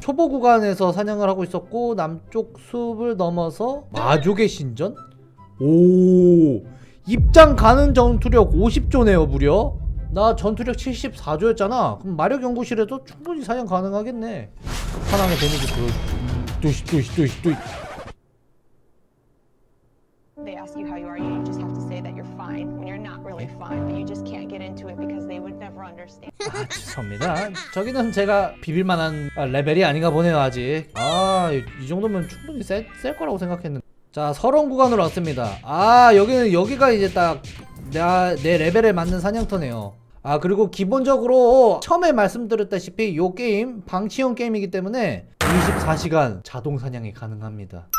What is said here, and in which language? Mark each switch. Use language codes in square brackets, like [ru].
[ko] 초보 구간에서 사냥을 하고 있었고, 남쪽 숲을 넘어서 마족의 신전? 오, 입장 가는 전투력 50조네요, 무려. 나 전투력 74조였잖아. 그럼 마력 연구실에도 충분히 사냥 가능하겠네. 사냥의 데미지 보여주시. [en] They ask you how you are, you just have to say that you're fine when you're not really fine, but you just can't get into it because they would never understand. [ko] 아, 죄송합니다. 저기는 제가 비빌만한 레벨이 아닌가 보네요, 아직. 아, 이 정도면 충분히 셀 거라고 생각했는데. 자, 서론 구간으로 왔습니다. 아, 여기는 여기가 이제 딱 내 레벨에 맞는 사냥터네요. 아, 그리고 기본적으로 처음에 말씀드렸다시피 요 게임 방치형 게임이기 때문에 24시간 자동 사냥이 가능합니다.